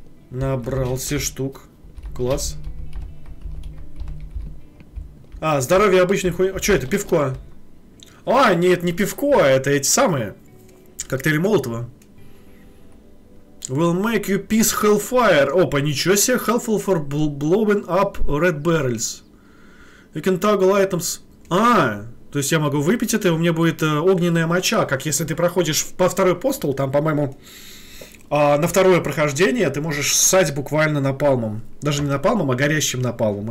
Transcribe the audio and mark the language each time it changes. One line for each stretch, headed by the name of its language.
Russian: Набрал все штук. Класс. А, здоровье обычной хуйни. А что это, пивко? А, нет, не пивко, а это эти самые. Коктейли Молотова.
English: Will make you peace hellfire.
Russian: Опа, ничего себе,
English: helpful for blowing up red barrels. You can toggle items.
Russian: А, то есть я могу выпить это, и у меня будет огненная моча. Как если ты проходишь по второй постол, там, по-моему... А на второе прохождение ты можешь ссать буквально напалмом. Даже не напалмом, а горящим напалмом.